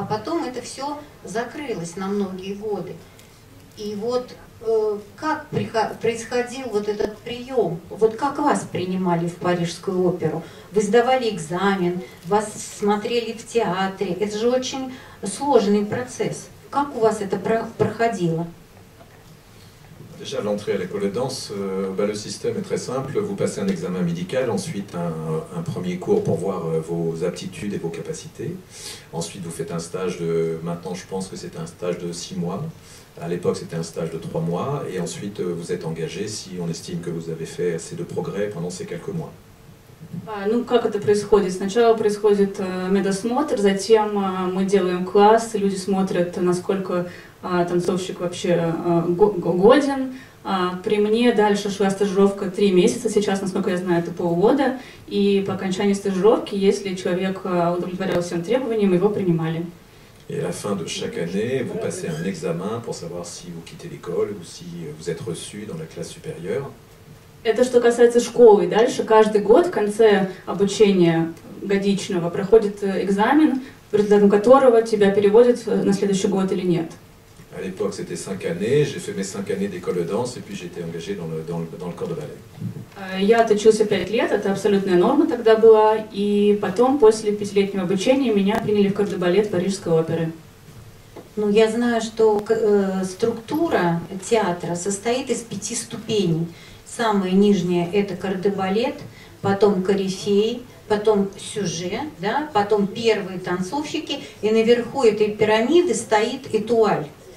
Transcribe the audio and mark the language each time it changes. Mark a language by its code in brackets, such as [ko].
[ru] А потом это все закрылось на многие годы. И вот как происходил вот этот прием? Вот как вас принимали в Парижскую оперу? Вы сдавали экзамен, вас смотрели в театре. Это же очень сложный процесс. Как у вас это проходило? [fr] Déjà, l'entrée à l'école de danse, le système est très simple. Vous passez un examen médical, ensuite un premier cours pour voir vos aptitudes et vos capacités. Ensuite, vous faites un stage de... Maintenant, je pense que c'est un stage de 6 mois. À l'époque, c'était un stage de 3 mois. Et ensuite, vous êtes engagé si on estime que vous avez fait assez de progrès pendant ces quelques mois. [ru] Ну, как это происходит? Сначала происходит медосмотр, затем мы делаем класс, люди смотрят, насколько танцовщик вообще годен. При мне дальше шла стажировка 3 месяца, сейчас, насколько я знаю, это полгода. И по окончании стажировки, если человек удовлетворял всем требованиям, его принимали. [fr] Et à la fin de chaque année, vous passez un examen pour savoir si vous quittez l'école ou si vous êtes reçu dans la classe supérieure. [ru] Это что касается школы. Дальше каждый год в конце обучения годичного проходит экзамен, в результате которого тебя переводят на следующий год или нет. [fr] À l'époque, c'était 5 années, j'ai fait mes 5 années d'école de danse et puis j'étais engagé dans le corps de ballet. [ru] Я отучился 5 лет, это абсолютная норма тогда была, и потом после 5-летнего обучения меня приняли в корд де балет Парижской оперы. Ну, я знаю, что структура театра состоит из 5 ступеней. Самое нижнее – это корд де балет, потом корифей, потом сюже, да, потом первые танцовщики, и наверху этой пирамиды стоит этуаль.